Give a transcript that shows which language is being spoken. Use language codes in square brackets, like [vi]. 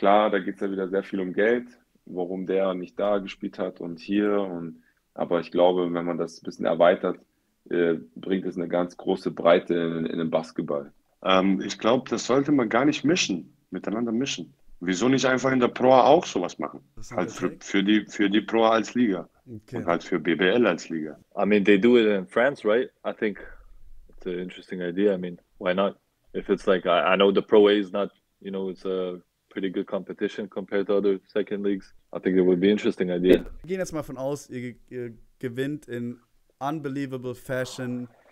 [de] Klar, da geht es ja wieder sehr viel um Geld, warum der nicht da gespielt hat und hier. Aber ich glaube, wenn man das ein bisschen erweitert, bringt es eine ganz große Breite in den Basketball. Ich glaube, das sollte man gar nicht mischen, miteinander mischen. Wieso nicht einfach in der Proa auch sowas machen? Halt für die Proa als Liga. Okay. Und halt für BBL als Liga. [en] I mean, they do it in France, right? I think it's an interesting idea. I mean, why not? If it's like, I know the Pro-A is not, you know, it's a pretty good competition compared to other second leagues. I think it would be an interesting idea. [de] Wir gehen jetzt mal von aus, ihr gewinnt [en] in unbelievable fashion.